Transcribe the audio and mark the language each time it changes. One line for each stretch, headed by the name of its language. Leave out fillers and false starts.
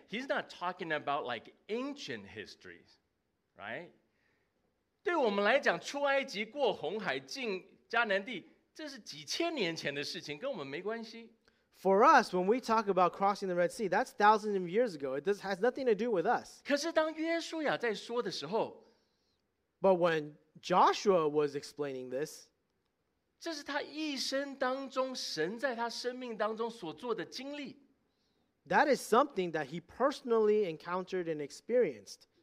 English: He's not talking about like ancient histories, right?
Chinese: 对我们来讲，出埃及、过红海、进迦南地，这是几千年前的事情，跟我们没关系。
English: For us, when we talk about crossing the Red Sea, that's thousands of years ago. It has nothing to do with us.
Chinese: 可是当约书亚在说的时候
English: ，But when Joshua was explaining this,
Chinese: 这是他一生当中神在他生命当中所做的经历。
English: That is something that he personally encountered and experienced.